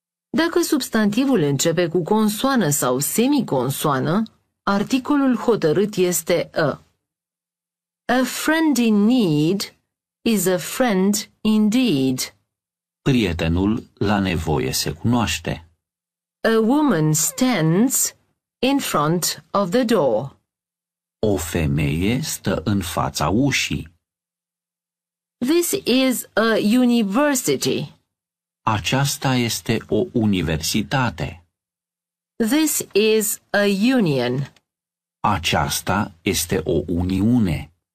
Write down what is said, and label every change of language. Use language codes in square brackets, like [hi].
[ro] Dacă substantivul începe cu consoană sau semiconsoană, articolul hotărât este a. [en] A friend in need is a friend indeed. [ro] Prietenul la nevoie se cunoaște. [en] A woman stands in front of the door. [ro] O femeie stă în fața ușii. [en] This is a university. [ro] Aceasta este o universitate. [en] This is a union. [ro] Aceasta este o uniune.